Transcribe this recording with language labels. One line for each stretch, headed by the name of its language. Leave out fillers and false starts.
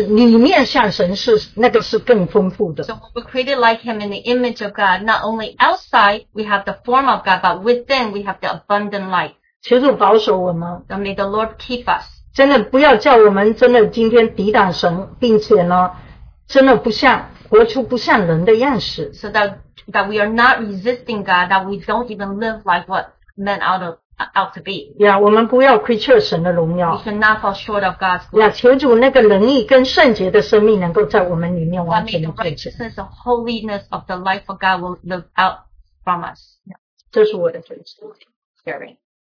Chinese: 所以我们今天照着神的形象和样式叫的，就是不单是外面像神，更是里面像神，是那个是更丰富的。
English: So we created like him in the image of God. Not only outside we have the form of God, but within we have the abundant light.
Chinese: 求主保守我们。
English: And may the Lord keep us.
Chinese: 真的不要叫我们真的今天抵挡神，并且呢，真的不像活出不像人的样式。
English: So that we are not resisting God, that we don't even live like what men ought to be. Yeah,
Chinese: 我们不要亏缺神的荣耀。
English: We cannot fall short of God's glory. Yeah,
Chinese: 求主那个能力跟圣洁的生命能够在我们里面完全的彰显。
English: That may the righteousness and holiness of the life of God will live out from us. Yeah.
Chinese: 这是我的分享。
English: Very.